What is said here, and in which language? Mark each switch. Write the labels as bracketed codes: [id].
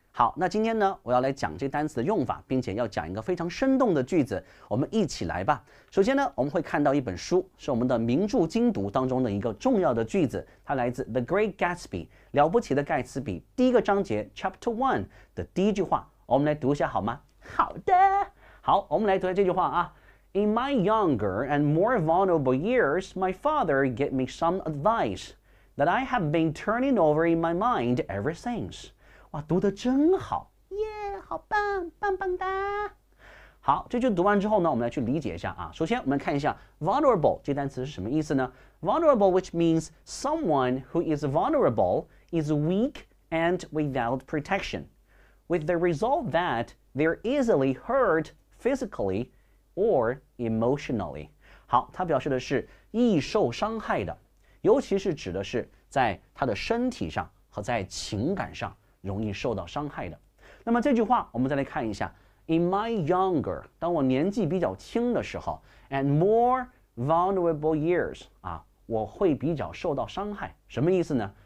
[zh] 好，那今天呢我要来讲这单词的用法，并且要讲一个非常生动的句子，我们一起来吧。首先呢我们会看到一本书，是我们的名著精读当中的一个重要的句子，它来自 The Great Gatsby， 了不起的盖茨比，第一个章节 Chapter 1的第一句话，我们来读一下好吗？好的，好，我们来读一下这句话啊。 [en] In my younger and more vulnerable years, my father gave me some advice that I have been turning over in my mind ever since。 [zh] 哇，读得真好耶、yeah, 好棒棒棒哒。好，这句读完之后呢我们来去理解一下啊。首先我们看一下 vulnerable 这单词是什么意思呢？ [en] vulnerable which means someone who is vulnerable is weak and without protection, with the result that they're easily hurt physically or emotionally。 [zh] 好，它表示的是易受伤害的，尤其是指的是在他的身体上和在情感上容易受到伤害的。那么这句话我们再来看一下， In my younger，当我年纪比较轻的时候， And more vulnerable years，啊，我会比较受到伤害。什么意思呢？